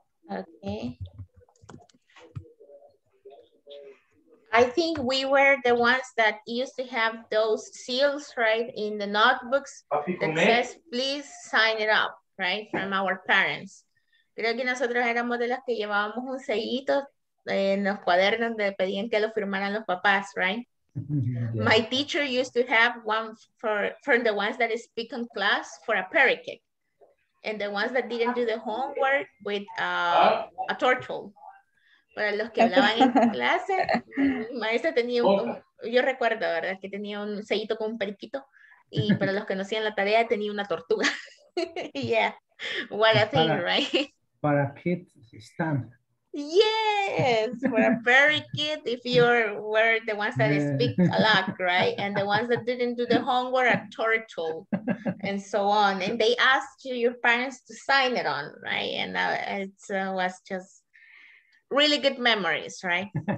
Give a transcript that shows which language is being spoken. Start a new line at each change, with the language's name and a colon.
English: Okay. I think we were the ones that used to have those seals, right, in the notebooks that says, please sign it up. Right, from our parents.
Spanish: Creo que nosotros éramos de las que llevábamos un sellito en los cuadernos donde pedían que lo firmaran los papás, right?
English: Yeah. My teacher used to have one for the ones that speak in class for a parakeet. And the ones that didn't do the homework with a turtle.
Spanish: Para los que hablaban en clase, mi maestra tenía yo recuerdo, ¿verdad? Que tenía un sellito con un periquito y para los que no hacían la tarea tenía una tortuga.
English: Yeah, what a thing, right?
Spanish: Para kids, están.
English: Yes, for a parakeet, if you were the ones that speak a lot, right? And the ones that didn't do the homework, a turtle, and so on. And they asked you, your parents, to sign it on, right? And it was just really good memories, right?